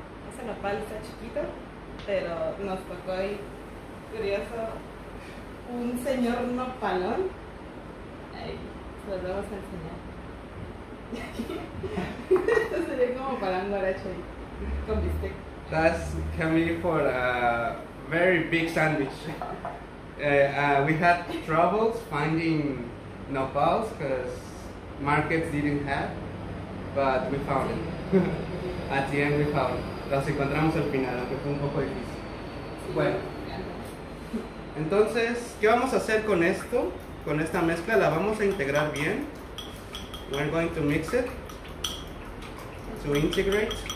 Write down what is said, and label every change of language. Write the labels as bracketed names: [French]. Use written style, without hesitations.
[Spanish] Ese nopal está chiquito, pero nos tocó ahí, curioso, un señor nopalón. Ahí, se lo vamos a enseñar. Esto sería como para un guarache ahí, con bistec. [English] That's can be for a very big sandwich. We had troubles finding Nopals because markets didn't have, but we found it. At the end, we found it. [Spanish] Las encontramos al final, aunque fue un poco difícil. Bueno, entonces, ¿qué vamos a hacer con esto? Con esta mezcla, la vamos a integrar bien. [English] We're going to mix it. To integrate.